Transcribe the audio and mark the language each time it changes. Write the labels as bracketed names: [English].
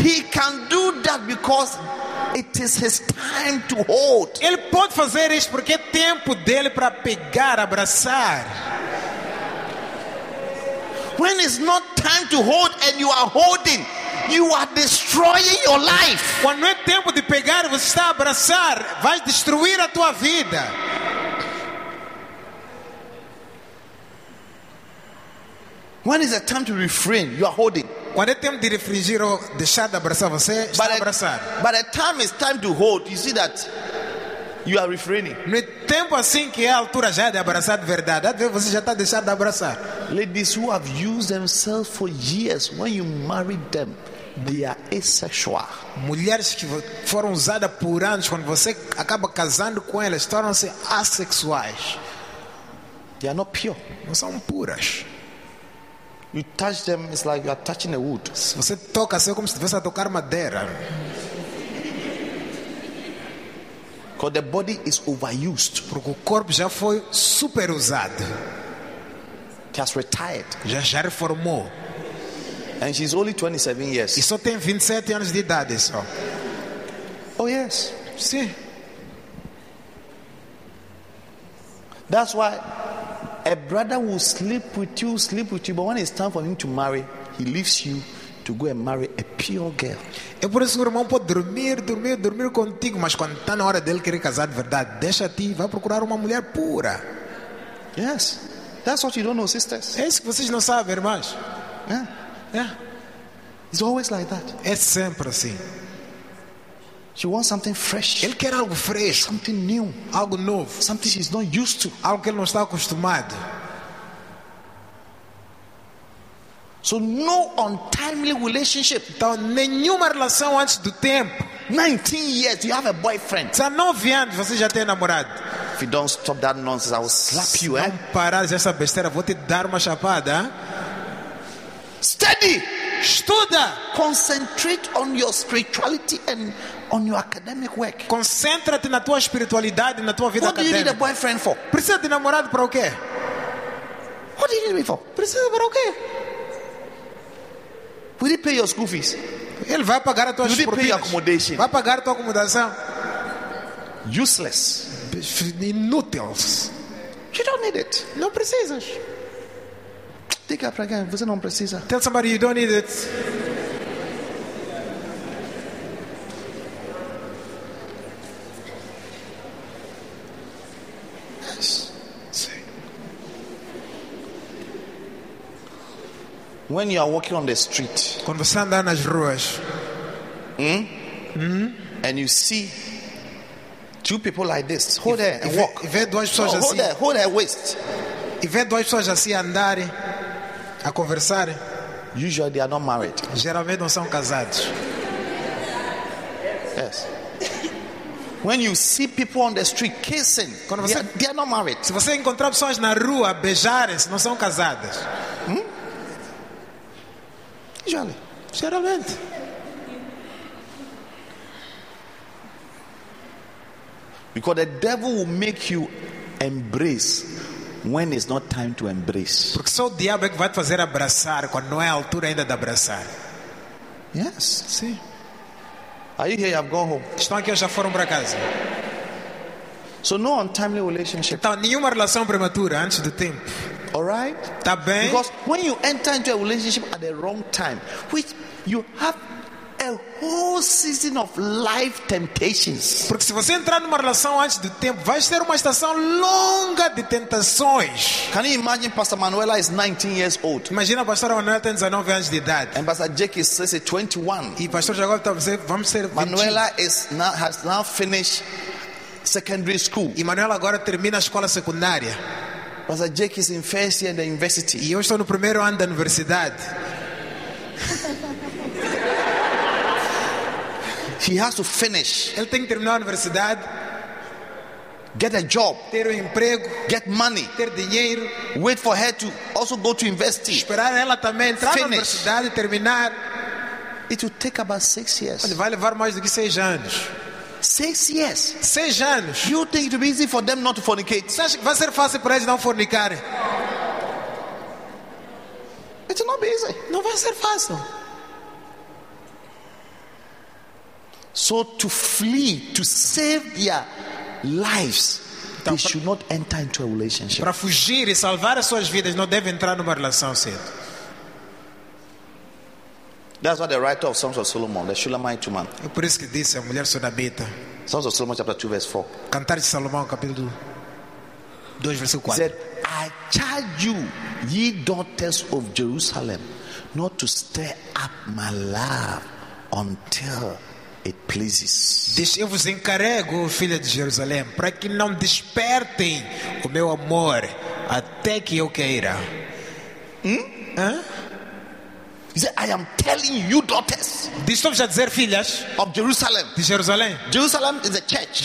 [English] He can do that because it is his time to hold. [Portuguese] Ele pode fazer isso porque é tempo dele para pegar, abraçar. [English] When it's not time to hold and you are holding, you are destroying your life. [Portuguese] Quando é tempo de pegar e você está a abraçar, vai destruir a tua vida. [English] When is the time to refrain? You are holding. [Portuguese] Quando é tempo de refrigir ou deixar de abraçar, você está a abraçar. [English] But the time is time to hold. You see that you are refraining. [Portuguese] No tempo assim que é a altura já de abraçar de verdade, você já está a deixar de abraçar. [English] Ladies who have used themselves for years, when you marry them, they are asexual. [Portuguese] Mulheres que foram usadas por anos, quando você acaba casando com elas, tornam-se assexuais. [English] They are not pure. [Portuguese] Não são puras. [English] You touch them, it's like you are touching a wood. [Portuguese] Você toca, assim, como se estivesse a tocar madeira. [English] Because the body is overused. [Portuguese] Porque o corpo já foi super usado. [English] She has retired. [Portuguese] Já reformou. [English] And she's only 27 years. [Portuguese] E só tem 27 anos de idade, só. [English] Oh yes. [Portuguese] Sim. [English] That's why a brother will sleep with you, but when it's time for him to marry, he leaves you to go and marry a pure girl. [Portuguese] É por isso que o irmão pode dormir contigo, mas quando está na hora dele querer casar de verdade, deixa-te e vai procurar uma mulher pura. [English] Yes. That's what you don't know, sisters. [Portuguese] É isso que vocês não sabem, irmãs. [English] It's always like that. [Portuguese] É sempre assim. [English] She wants something fresh. [Portuguese] Ele quer algo fresco. [English] Something new. [Portuguese] Algo novo. [English] Something she's not used to. [Portuguese] Algo que ele não está acostumado. [English] So no untimely relationship. [Portuguese] Então nenhuma relação antes do tempo. [English] 19 years, you have a boyfriend. [Portuguese] Há 9 anos você já tem namorado. [English] If you don't stop that nonsense, I will slap you. [Portuguese] Se não parares essa besteira, vou te dar uma chapada. [English] Study. [Portuguese] Estuda. [English] Concentrate on your spirituality and on your academic work. [Portuguese] Concentra-te na tua espiritualidade e na tua vida [English] what [Portuguese] acadêmica. [English] What do you need a boyfriend for? [Portuguese] Precisa de namorado para o quê? [English] What do you need me for? [Portuguese] Precisa para o quê? [English] Will he pay your school fees? [Portuguese] Ele vai pagar a tua propinas. [English] Will he pay your accommodation? [Portuguese] Vai pagar a tua acomodação. [English] Useless. [Portuguese] Inúteis. [English] You don't need it. [Portuguese] Não precisas. [English] Take up again. [Portuguese] Você não precisa. [English] Tell somebody you don't need it. Yes. See. When you are walking on the street, [Portuguese] quando você anda nas ruas, [English] and you see two people like this, hold there and walk. [Portuguese] E vê duas pessoas assim. [English] Hold there, hold their waist. [Portuguese] E vê duas pessoas assim andarem, a conversarem. [English] Usually they are not married. [Portuguese] Geralmente não são casados. [English] Yes. When you see people on the street kissing, [Portuguese] quando você, [English] they are not married. [Portuguese] Se você encontrar pessoas na rua beijarem, não são casadas. [English] Usually. [Portuguese] Geralmente. [English] Because the devil will make you embrace when it's not time to embrace. [Portuguese] Porque só o diabo é que vai te fazer abraçar quando não é a altura ainda de abraçar. [English] Yes, [Portuguese] sim. [English] Are you here? I've gone home. [Portuguese] Estão aqui ou já foram para casa? [English] So no untimely relationship. [Portuguese] Então nenhuma relação prematura antes do tempo. [English] All right. [Portuguese] Tá bem? [English] Because when you enter into a relationship at the wrong time, which you have a whole season of life temptations. [Portuguese] Porque se você entrar numa relação antes do tempo, vai ser uma estação longa de tentações. [English] Can you imagine Pastor Manuela is 19 years old? [Portuguese] Imagina Pastor Manuela tem 19 anos de idade. [English] And Pastor Jake is 21. [Portuguese] E Pastor Jacob está dizendo, vamos ser 20. [English] Manuela is now, has now finished secondary school. [Portuguese] E Manuela agora termina a escola secundária. [English] Pastor Jake is in first year in the university. [Portuguese] E eu estou no primeiro ano da universidade. [English] He has to finish. [Portuguese] Ele tem que terminar a universidade. [English] Get a job. [Portuguese] Ter um emprego. [English] Get money. [Portuguese] Ter dinheiro. [English] Wait for her to also go to university. [Portuguese] Esperar ela também entrar na universidade e terminar. [English] It will take about 6 years. [Portuguese] Ele vai levar mais do que 6 anos. [English] 6 years. [Portuguese] 6 anos. [English] You think it will be easy for them not to fornicate? [Portuguese] Você acha que vai ser fácil para eles não fornicarem? [English] It will not be easy. [Portuguese] Não vai ser fácil. [English] So to flee, to save their lives, [Portuguese] então, [English] they should not enter into a relationship. [Portuguese] Para fugir e salvar as suas vidas, não devem entrar numa relação cedo. [English] That's what the writer of Songs of Solomon, the Shulamite woman. [Portuguese] É por isso que disse a mulher sunamita. [English] Songs of Solomon chapter 2 verse 4. [Portuguese] Cantar de Salomão capítulo 2 verse 4. [English] He said, I charge you, ye daughters of Jerusalem, not to stir up my love until it pleases. [Portuguese] Eu vos encarrego, filha de Jerusalém, para que não despertem o meu amor até que eu queira. [English] I am telling you, daughters. [Portuguese] Estou a dizer, filhas, [English] of Jerusalem. [Portuguese] De Jerusalém. [English] Jerusalem is a church.